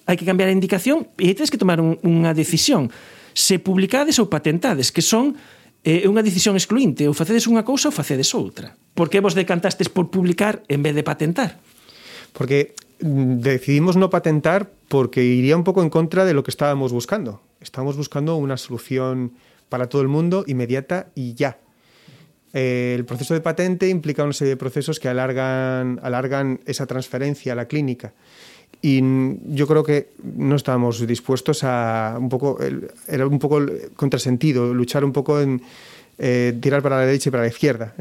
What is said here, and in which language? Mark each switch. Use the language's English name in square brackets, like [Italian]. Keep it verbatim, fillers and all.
[Galician] Hai que cambiar a indicación e tedes que tomar un, unha decisión, se publicades ou patentades, que son é unha decisión excluínte, ou facedes unha cousa ou facedes outra. Por que vos decantastes por publicar en vez de patentar? [Spanish] Porque decidimos no patentar porque iría un pouco en contra de lo que estábamos buscando. Estábamos buscando unha solución para todo el mundo, inmediata y ya. El proceso de patente implica una serie de procesos que alargan, alargan esa transferencia a la clínica. Y yo creo que no estábamos dispuestos a un poco, era un poco el contrasentido, luchar un poco en eh, tirar para la derecha y para la izquierda.